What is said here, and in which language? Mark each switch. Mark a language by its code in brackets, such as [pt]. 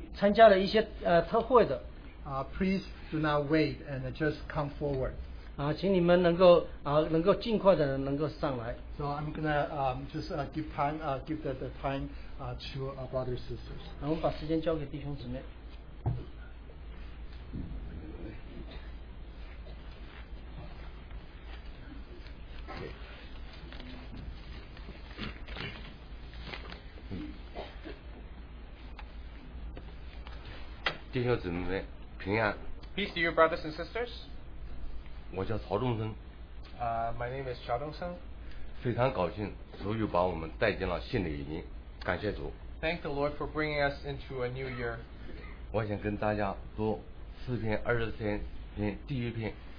[zh] 或者呢，你们在参加了一些特会的。 [en] Please do not wait and just come forward. [zh] 请你们能够尽快的能够上来。 [en] So I'm gonna give the time to our brothers and sisters. [zh] 我们把时间交给弟兄姊妹。弟兄姊妹，平安。 [en] Peace to you, brothers and sisters. [zh] 我叫曹仲生。 [en] My name is 曹仲生。 [zh] 非常高兴，主又把我们带进了新的一年，感谢主。 [en] Thank the Lord for bringing us into a new year. [zh] 我想跟大家读诗篇二十三篇第一篇。